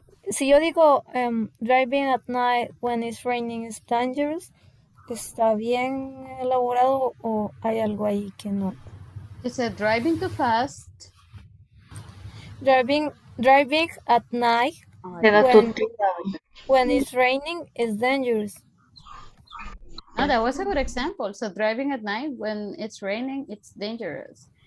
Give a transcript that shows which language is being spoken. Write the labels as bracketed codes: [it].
[es] Si yo digo [en] driving at night when it's raining is dangerous. [es] ¿Está bien elaborado o hay algo ahí que no? [en] It said driving too fast. Driving at night when it's raining is dangerous. No, that was a good example. So driving at night when it's raining, it's dangerous.